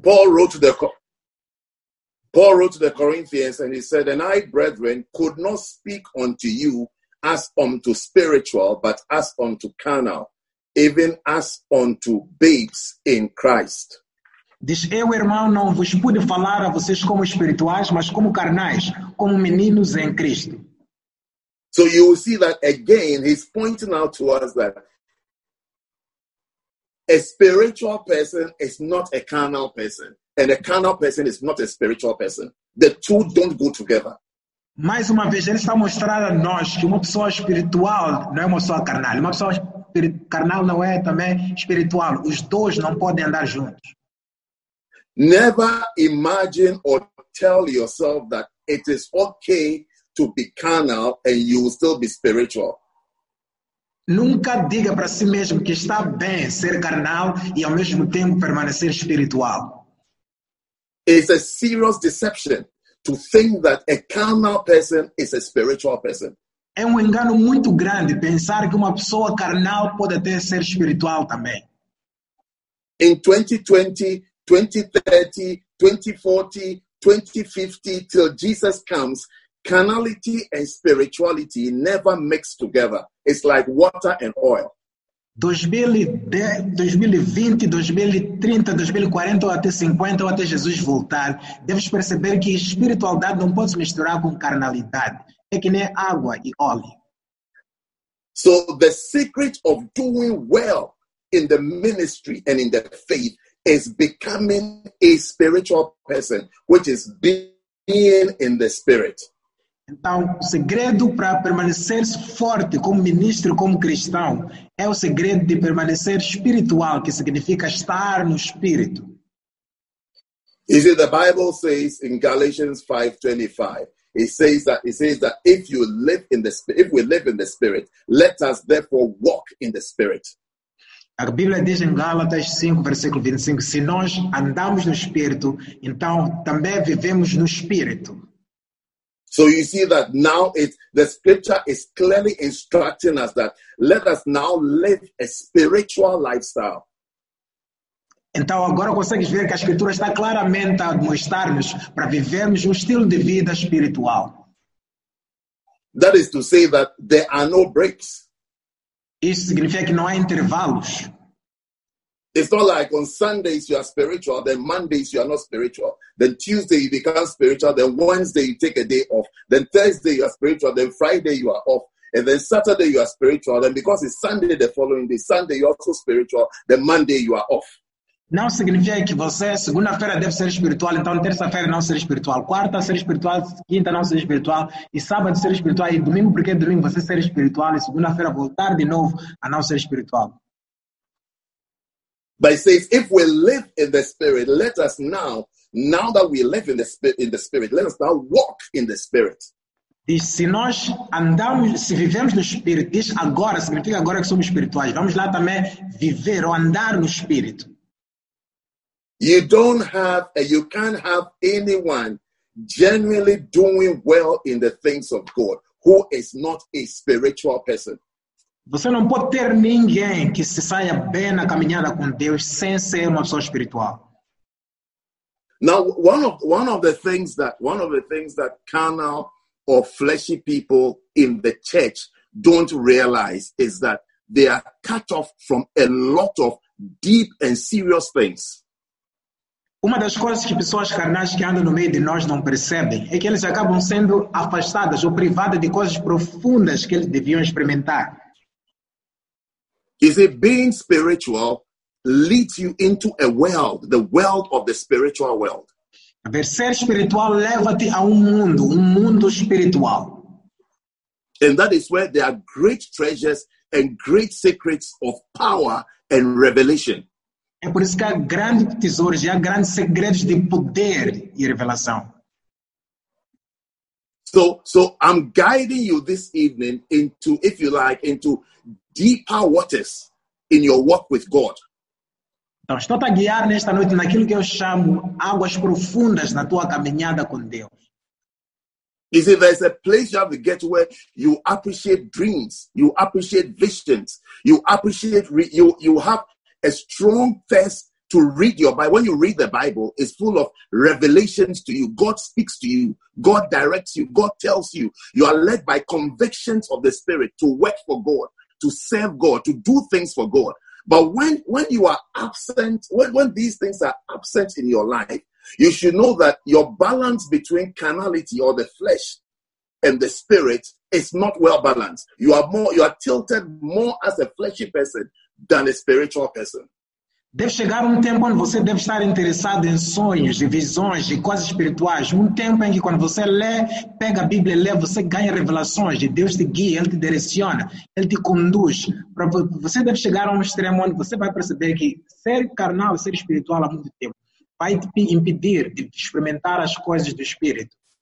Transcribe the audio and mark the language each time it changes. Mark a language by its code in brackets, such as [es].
[en] Paul wrote to the Corinthians and he said, "And I, brethren, could not speak unto you as unto spiritual, but as unto carnal, even as unto babes in Christ." [pt] Diz, eu, irmão, não vos pude falar a vocês como espirituais, mas como carnais, como meninos em Cristo. [en] So you will see that again, he's pointing out to us that a spiritual person is not a carnal person, and a carnal person is not a spiritual person. The two don't go together. [pt] Mais uma vez, ele está mostrando a nós que uma pessoa espiritual não é uma pessoa carnal. Uma pessoa carnal não é também espiritual. Os dois não podem andar juntos. [en] Never imagine or tell yourself that it is okay to be carnal and you will still be spiritual. [pt] Nunca diga para si mesmo que está bem ser carnal e ao mesmo tempo permanecer espiritual. [en] It's a serious deception to think that a carnal person is a spiritual person. [pt] É um engano muito grande pensar que uma pessoa carnal pode até ser espiritual também. [en] In 2020, 2030, 2040, 2050, till Jesus comes, carnality and spirituality never mix together. It's like water and oil. [pt] 2020, 2030, 2040 ou até 50 ou até Jesus voltar, deves perceber que espiritualidade não pode se misturar com carnalidade. É que nem água e óleo. [en] So the secret of doing well in the ministry and in the faith is becoming a spiritual person, which is being in the spirit. [pt] Então, o segredo para permanecer forte como ministro, como cristão, é o segredo de permanecer espiritual, que significa estar no espírito. [en] You see, the Bible says in Galatians 5:25, it says that if we live in the spirit, let us therefore walk in the spirit. [pt] A Bíblia diz em Gálatas 5, versículo 25, se nós andamos no espírito, então também vivemos no espírito. [en] So you see that now the scripture is clearly instructing us that let us now live a spiritual lifestyle. [pt] Então agora consegues ver que a escritura está claramente a mostrar-nos para vivermos um estilo de vida espiritual. [en] That is to say that there are no breaks. [pt] Isso significa que não há intervalos. [en] It's not like on Sundays you are spiritual, then Mondays you are not spiritual. Then Tuesday you become spiritual, then Wednesday you take a day off. Then Thursday you are spiritual, then Friday you are off. And then Saturday you are spiritual, then because it's Sunday the following day, Sunday you're also spiritual, then Monday you are off. [pt] Não significa que você, segunda-feira deve ser espiritual, então terça-feira não ser espiritual. Quarta ser espiritual, quinta não ser espiritual. E sábado ser espiritual, e domingo porque é domingo você ser espiritual, e segunda-feira voltar de novo a não ser espiritual. [en] But it says, if we live in the Spirit, let us now that we live in the Spirit, let us now walk in the Spirit. [pt] Diz, se nós andamos, se vivemos no Espírito, diz agora, significa agora que somos espirituais. Vamos lá também viver ou andar no Espírito. [en] You can't have anyone genuinely doing well in the things of God who is not a spiritual person. [pt] Você não pode ter ninguém que se saia bem na caminhada com Deus sem ser uma pessoa espiritual. [en] Now, one of the things that carnal or fleshy people in the church don't realize is that they are cut off from a lot of deep and serious things. [pt] Uma das coisas que pessoas carnais que andam no meio de nós não percebem é que eles acabam sendo afastadas ou privadas de coisas profundas que eles deviam experimentar. [en] Is it being spiritual leads you into a world, the world of the spiritual world? [pt] Ser espiritual leva-te a um mundo espiritual. [en] And that is where there are great treasures and great secrets of power and revelation. [pt] É por isso que há grandes tesouros e há grandes segredos de poder e revelação. [en] So I'm guiding you this evening into, if you like, into deeper waters in your walk with God. [pt] Então, estou a guiar nesta noite naquilo que eu chamo águas profundas na tua caminhada com Deus. [en] You see, there's a place you have to get to where you appreciate dreams, you appreciate visions, you appreciate, you have a strong thirst to read your Bible. When you read the Bible, it's full of revelations to you. God speaks to you. God directs you. God tells you. You are led by convictions of the Spirit to work for God, to serve God, to do things for God. But when you are absent, when these things are absent in your life, you should know that your balance between carnality or the flesh and the spirit is not well balanced. You are tilted more as a fleshy person than a spiritual person. [pt] Deve chegar tempo onde você deve estar interessado em sonhos, de visões, de coisas espirituais. Tempo em que quando você lê, pega a Bíblia e lê, você ganha revelações de Deus te guia, Ele te direciona, Ele te conduz. Você deve chegar a extremo onde você vai perceber que ser carnal, ser espiritual há muito tempo vai te impedir de experimentar as coisas do Espírito.